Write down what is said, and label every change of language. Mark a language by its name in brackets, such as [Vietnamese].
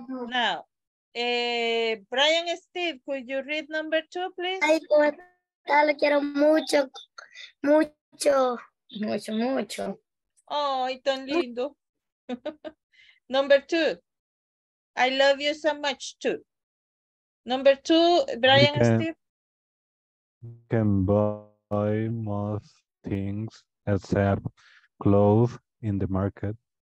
[English] Now, Brian Steve, could you read number two, please? [Spanish] Ay, Guatemala, lo quiero mucho, mucho, mucho, mucho. Ay, tan lindo. [English] Number two, I love you so much too. Number two, Brian and Steve. Can buy most things except clothes in the market.